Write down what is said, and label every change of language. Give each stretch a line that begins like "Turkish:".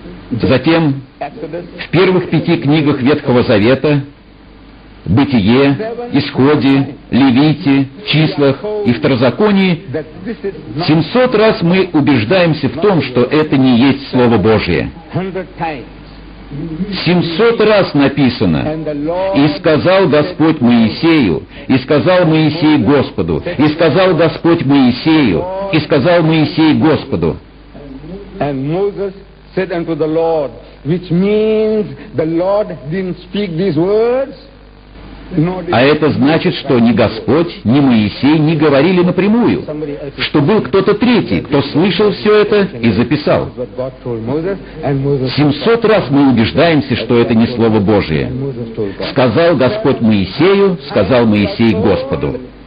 Russian: Затем, в первых пяти книгах Ветхого Завета, Бытие, Исходе, Левите, Числах и Второзаконии, 700 раз мы убеждаемся в том, что это не есть Слово Божие. 700 раз написано: «И сказал Господь Моисею, и сказал Моисей Господу, и сказал Господь Моисею, и сказал Моисей Господу».
English: And Moses said unto the Lord, which means the Lord didn't speak these words.
Russian: А это значит, что ни Господь, ни Моисей не говорили напрямую, что был кто-то третий, кто слышал все это и записал. 700 раз мы убеждаемся, что это не Слово Божие. Сказал Господь Моисею, сказал Моисей Господу.